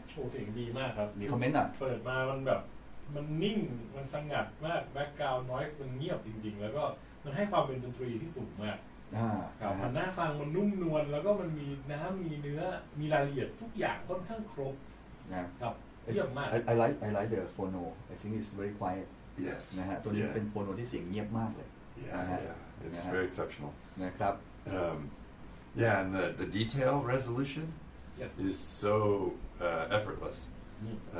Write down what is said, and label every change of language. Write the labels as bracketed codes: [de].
[th] โอ้เสียงดีมากครับ มีคอมเมนต์อ่ะ เปิดมามันแบบมันนิ่งมันสงัดมากแบ็คกราวด์นอยส์มันเงียบจริงๆแล้วก็มันให้ความเป็นดนตรีที่สูงมากครับมันน่าฟังมันนุ่มนวลแล้วก็มันมีน้ำมีเนื้อมีรายละเอียดทุกอย่างค่อนข้างครบ นะ ครับเยี่ยมมาก [en] I like the phono I think it's very quiet yes [th] นะฮะตัวนี้เป็นโฟโนที่เสียงเงียบมากเลย [en] yeah it's very exceptional [th] นะครับ [en] Yeah, and the detail resolution is so effortless. Mm.